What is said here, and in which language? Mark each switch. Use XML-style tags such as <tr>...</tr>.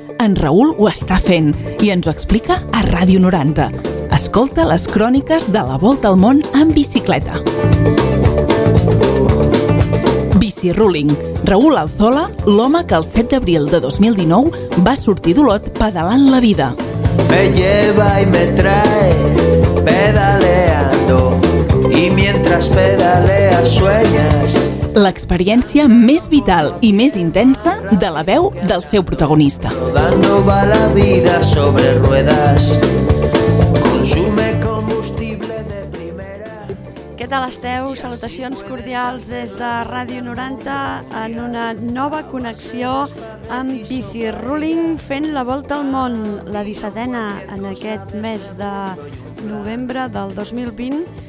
<ca>En Raül ho està fent i ens ho explica a Ràdio 90. Escolta les cròniques de la Volta al Món en bicicleta. Bici Ruling. Raül Alzola, l'home que el 7 d'abril de 2019 va sortir d'Olot pedalant la vida.</ca> <es>Me lleva y me trae pedaleando y mientras pedaleas sueñas.</es> <ca>L'experiència més vital i més intensa de la veu del seu protagonista.</ca> <es>Rodando va la vida sobre ruedas, consume combustible de primera.</es> <ca>Què tal esteu? Salutacions cordials des de Ràdio 90 en una nova connexió amb Bici Ruling fent la volta al món, la 17a en aquest mes de novembre del 2020.</ca>